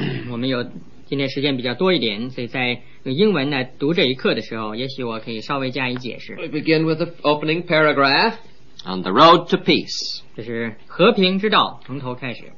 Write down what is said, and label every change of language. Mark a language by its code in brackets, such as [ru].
[zh] 我们有今天时间比较多一点，所以在用英文来读这一课的时候，也许我可以稍微加以解释。 [en] We begin with the opening paragraph on the road to peace. [zh] 这是和平之道，从头开始。